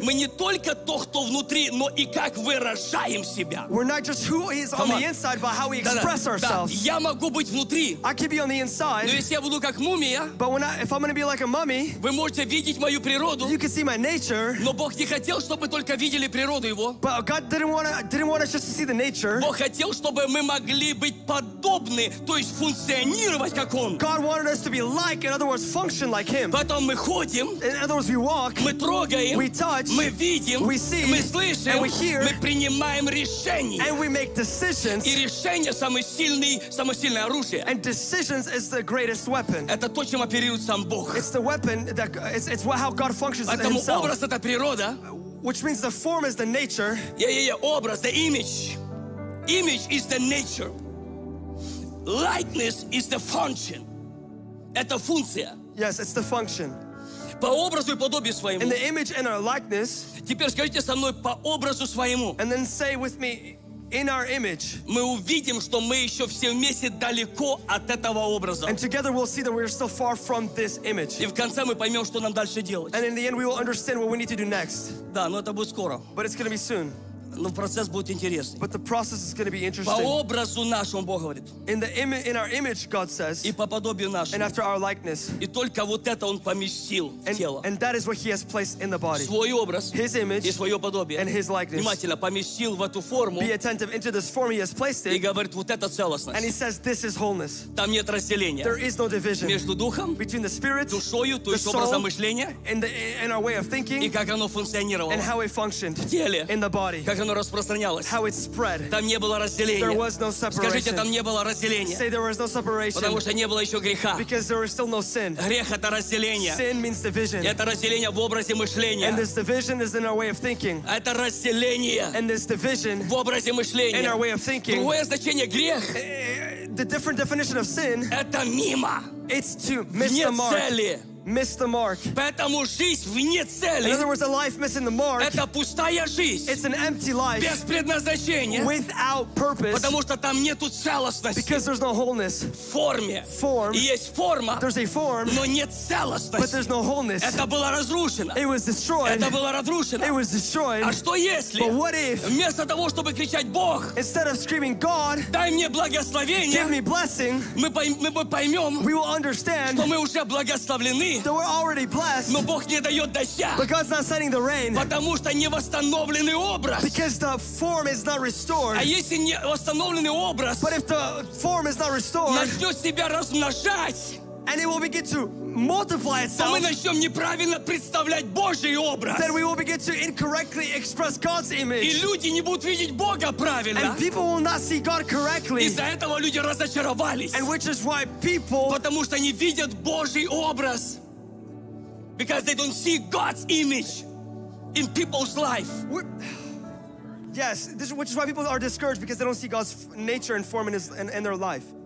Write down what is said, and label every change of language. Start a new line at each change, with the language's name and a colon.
Russian: Мы не только то, кто внутри, но и как выражаем себя.
English: We're not just who is on the inside, but how we express ourselves.
Russian: Я могу быть внутри.
English: I can be on the inside.
Russian: Но если я буду как мумия.
English: But if I'm going to be like a mummy.
Russian: Вы можете видеть мою природу.
English: You can see my nature.
Russian: Но Бог не хотел, чтобы только видели природу его.
English: But God didn't want us just to see the nature.
Russian: Бог хотел, чтобы мы могли быть подобны, то есть функционировать как он.
English: God wanted us to be like, in other words, function like him.
Russian: Потом мы ходим.
English: In other words, we walk.
Russian: Мы трогаем.
English: We touch.
Russian: Мы видим.
English: We see.
Russian: Мы слышим.
English: And we hear.
Russian: Мы принимаем решения.
English: And we make decisions.
Russian: И решение самое сильное оружие.
English: And decisions is the greatest weapon.
Russian: Это то, чем оперирует сам Бог.
English: It's the weapon that it's how God functions himself.
Russian: Поэтому образ это природа.
English: Which means the form is the nature. Yeah. Образ, the image. Image is the nature. Likeness is the function.
Russian: Это функция.
English: Yes, it's the function.
Russian: По образу и подобию своему.
English: In the image and our likeness.
Russian: Теперь скажите со мной по образу своему.
English: And then say with me, in our image.
Russian: Мы увидим, что мы еще все вместе далеко от этого образа.
English: And together we'll see that we're still far from this image.
Russian: И в конце мы поймем, что нам дальше делать.
English: And in the end we will understand what we need to do next.
Russian: Да, но это будет скоро.
English: But it's going to be soon.
Russian: Но процесс будет интересный.
English: But the process is going to be interesting.
Russian: По образу нашему, Бог говорит.
English: In our image, God says.
Russian: И по подобию нашему.
English: And after our likeness.
Russian: И только вот это он поместил в тело.
English: And that is what he has placed in the body.
Russian: Свой образ.
English: His image.
Russian: И свое подобие.
English: And his likeness.
Russian: Внимательно поместил в эту форму.
English: Be attentive into this form he has placed it.
Russian: И говорит, вот это целостность.
English: And he says, this is wholeness.
Russian: Там нет разделения.
English: There is no division.
Russian: Между духом.
English: Between the spirit.
Russian: Душою, то есть образом мышления.
English: And our way of thinking.
Russian: И как оно функционировало.
English: And how it functioned.
Russian: В теле.
English: In the body. How it spread.
Russian: Там не было разделения.
English: There was no separation.
Russian: Скажите, там не было разделения.
English: Say there was no separation.
Russian: Потому что не было еще греха.
English: Because there was still no sin.
Russian: Грех это разделение.
English: Sin means division.
Russian: Это разделение в образе мышления.
English: And this division is in our way of thinking.
Russian: Это разделение.
English: And this division
Russian: в образе мышления.
English: In our way of thinking.
Russian: Другое значение грех.
English: The different definition of sin.
Russian: Это мимо.
English: It's to miss the mark. Miss the mark.
Russian: Поэтому жизнь вне цели.
English: In other words, a life missing the mark.
Russian: Это пустая жизнь.
English: It's an empty life.
Russian: Без предназначения.
English: Without purpose.
Russian: Потому что там нету целостности.
English: Because there's no wholeness.
Russian: В форме.
English: Form.
Russian: И есть форма.
English: There's a form.
Russian: Но нет целостности.
English: But there's no wholeness.
Russian: Это было разрушено.
English: It was destroyed.
Russian: Это было разрушено.
English: It was destroyed.
Russian: А что если?
English: But what if?
Russian: Вместо того, чтобы кричать Бог.
English: Instead of screaming God.
Russian: Дай мне благословение.
English: Give me blessing.
Russian: Мы поймем.
English: We will understand.
Russian: Что мы уже благословлены.
English: That we're already blessed.
Russian: Но Бог не дает дождя.
English: But God's not sending the rain.
Russian: Потому что не восстановленный образ.
English: Because the form is not restored.
Russian: А если не восстановленный образ.
English: But if the form is not restored.
Russian: Начнет себя размножать.
English: And it will begin to multiply itself.
Russian: Мы начнем неправильно представлять Божий образ.
English: Then we will begin to incorrectly express God's image.
Russian: И люди не будут видеть Бога правильно.
English: And people will not see God correctly.
Russian: Из-за этого люди разочаровались.
English: And which is why people.
Russian: Потому что они видят Божий образ.
English: Because they don't see God's image in people's life. Yes, this, which is why people are discouraged because they don't see God's nature and form in their life.